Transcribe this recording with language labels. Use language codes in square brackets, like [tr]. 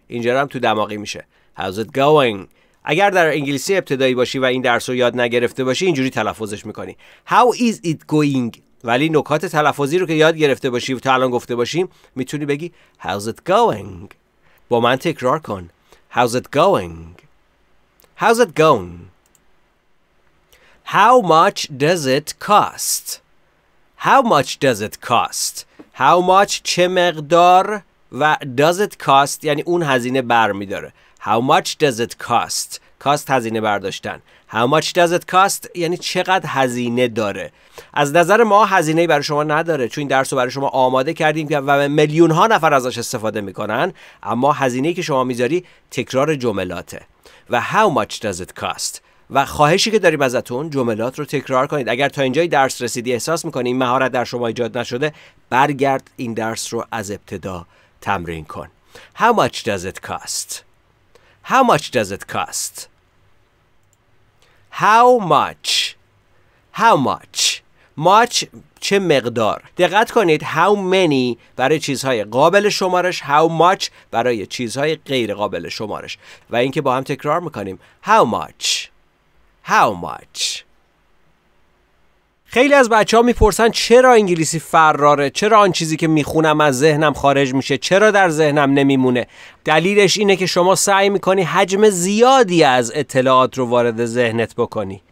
[fa] اینجا رو هم تو دماغی میشه. [en] How's it going? [fa] اگر در انگلیسی ابتدایی باشی و این درس رو یاد نگرفته باشی اینجوری تلفظش میکنی. [en] How is it going? [fa] ولی نکات تلفظی رو که یاد گرفته باشی و تا الان گفته باشیم میتونی بگی [en] How's it going؟ [fa] با من تکرار کن. [en] How's it going؟ How's it going؟ How much does it cost؟ How much does it cost؟ How much [fa] چه مقدار و [en] does it cost [fa] یعنی اون هزینه بر میداره. [en] How much does it cost؟ cost [fa] هزینه برداشتن. [en] How much does it cost [fa] یعنی چقدر هزینه داره. از نظر ما هزینه برای شما نداره چون این درس رو برای شما آماده کردیم و میلیون ها نفر ازش استفاده میکنن، اما هزینه‌ای که شما میذاری تکرار جملاته و [en] How much does it cost. [fa] و خواهشی که داریم ازتون جملات رو تکرار کنید. اگر تا اینجای درس رسیدی احساس میکنی این مهارت در شما ایجاد نشده، برگرد این درس رو از ابتدا تمرین کن. [en] How much does it cost؟ How much does it cost؟ How much؟ How much؟ much [fa] چه مقدار؟ دقت کنید [en] how many [fa] برای چیزهای قابل شمارش، how much برای چیزهای غیر قابل شمارش. و اینکه با هم تکرار میکنیم [en] How much؟ How much؟ [fa] خیلی از بچه ها میپرسن چرا انگلیسی فراره؟ چرا آن چیزی که میخونم از ذهنم خارج میشه؟ چرا در ذهنم نمیمونه؟ دلیلش اینه که شما سعی میکنی حجم زیادی از اطلاعات رو وارد ذهنت بکنی.